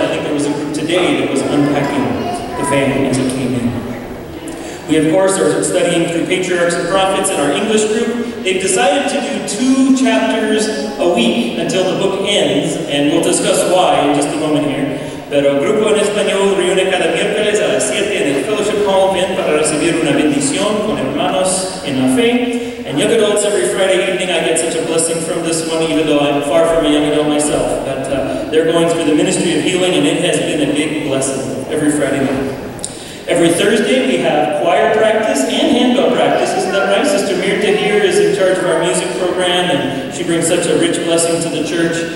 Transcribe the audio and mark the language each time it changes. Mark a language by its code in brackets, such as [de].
[en] I think there was a group today that was unpacking the family as it came in. We, of course, are studying through Patriarchs and Prophets in our English group. They've decided to do 2 chapters a week until the book ends, and we'll discuss why in just a moment here. [es] Pero Grupo en Español reúne cada miércoles a las 7 en el Fellowship Hall, ven para recibir una bendición con hermanos en la fe. [en] And young adults, every Friday evening, I get such a blessing from this one, even though I'm far from a young adult myself. But they're going through the ministry of healing, and it has been a big blessing every Friday night. Every Thursday, we have choir practice and handbell practice. Isn't that right? Sister Mirta here is in charge of our music program, and she brings such a rich blessing to the church.